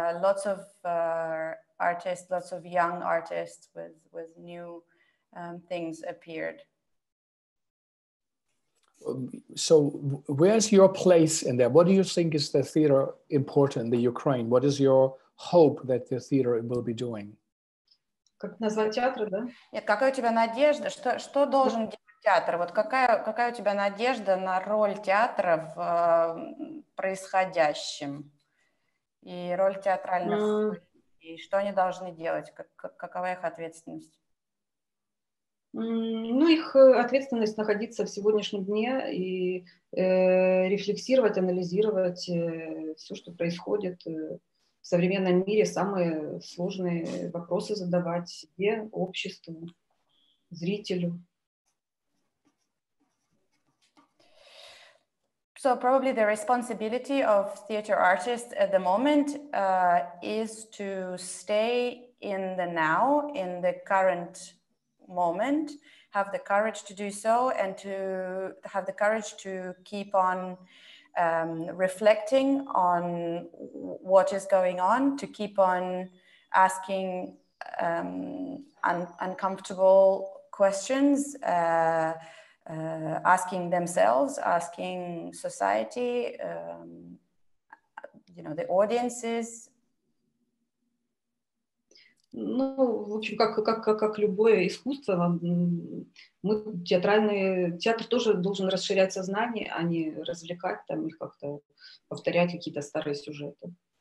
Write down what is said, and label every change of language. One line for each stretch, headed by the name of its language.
English: Lots of artists, lots of young artists with new things appeared. So where's your place in that? What do you think is the theater important in the Ukraine? What is your hope that the theater will be doing?
Russian: Как назвать театр, да? Нет, какая у тебя надежда? Что должен делать театр? Вот какая у тебя надежда на роль театра в происходящем? И роль театральных, и что они должны делать, какова их ответственность? Ну, их ответственность находиться в сегодняшнем дне и рефлексировать, анализировать все, что происходит в современном мире, самые сложные вопросы задавать себе, обществу, зрителю.
English: So probably the responsibility of theater artists at the moment is to stay in the now, in the current moment, have the courage to do so, and to have the courage to keep on reflecting on what is going on, to keep on asking uncomfortable questions, asking themselves, asking society, you know, the audiences.
Russian: Ну, в общем, как любое искусство, мы театральные, театр тоже должен расширять сознание, а не развлекать там их как-то, повторять какие-то старые сюжеты.